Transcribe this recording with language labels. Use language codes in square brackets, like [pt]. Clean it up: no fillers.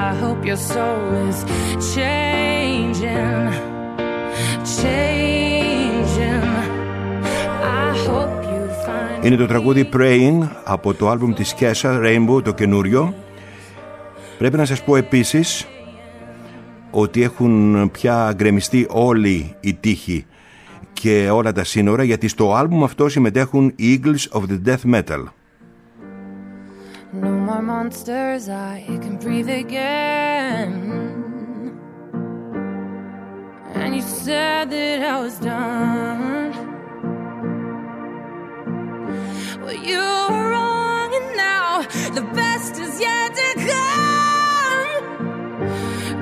[en] I hope your soul is changing, changing. I hope. [el] Είναι το τραγούδι Praying από το άλμπουμ της Kesha, Rainbow, το καινούριο. Πρέπει να σας πω επίσης ότι έχουν πια γκρεμιστεί όλοι οι τείχοι και όλα τα σύνορα, γιατί στο άλμπουμ αυτό συμμετέχουν οι Eagles of the Death Metal. [en] No more monsters, I can breathe again. And you said that I was done. You were wrong, and now the best is yet to come.